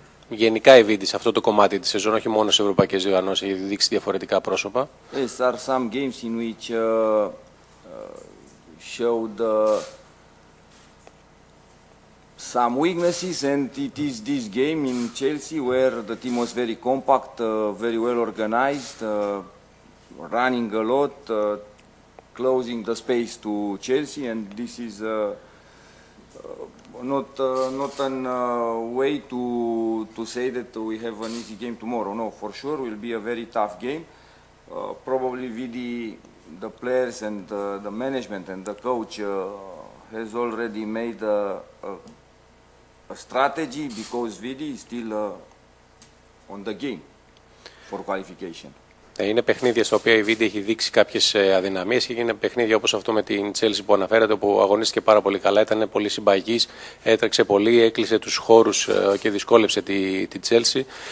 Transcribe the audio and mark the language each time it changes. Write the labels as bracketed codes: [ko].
[el] Γενικά η Vidi σε αυτό το κομμάτι της σεζόν, όχι μόνο σε ευρωπαϊκές διοργανώσεις, έχει δείξει διαφορετικά πρόσωπα. [en] Yes, there are some games in which showed some weaknesses, and it is this game in Chelsea where the team was very compact, very well organized, running a lot, closing the space to Chelsea, and this is not an way to say that we have an easy game tomorrow. No, for sure will be a very tough game. Probably Vidi, the players and the management and the coach has already made a strategy because Vidi is still on the game for qualification. [el] Είναι παιχνίδια στα οποία η Vidi έχει δείξει κάποιες αδυναμίες και είναι παιχνίδια όπως αυτό με την Chelsea που αναφέρατε, που αγωνίστηκε πάρα πολύ καλά, ήταν πολύ συμπαγής, έτρεξε πολύ, έκλεισε τους χώρους και δυσκόλεψε τη Chelsea.